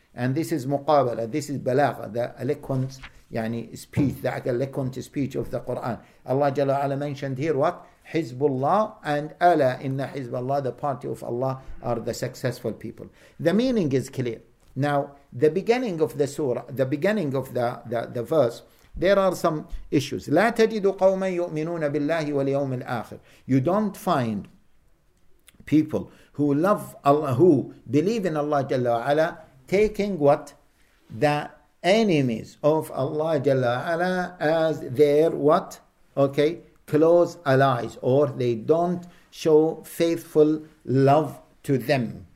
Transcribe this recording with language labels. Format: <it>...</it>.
<en>And this is muqabala, this is balagha, the eloquence. Yani speech, the eloquent speech of the Quran. Allah Jalla Ala mentioned here what? Hizbullah and Ala inna Hizballah, the party of Allah, are the successful people. The meaning is clear. Now, the beginning of the surah, the beginning of the verse, there are some issues.</en> <ar>لا تجد قوما يؤمنون بالله واليوم الآخر.</ar> <en>You don't find people who love Allah, who believe in Allah Jalla Ala, taking what? The enemies of Allah Jalla Ala as their what? Okay, close allies, or they don't show faithful love to them.</en>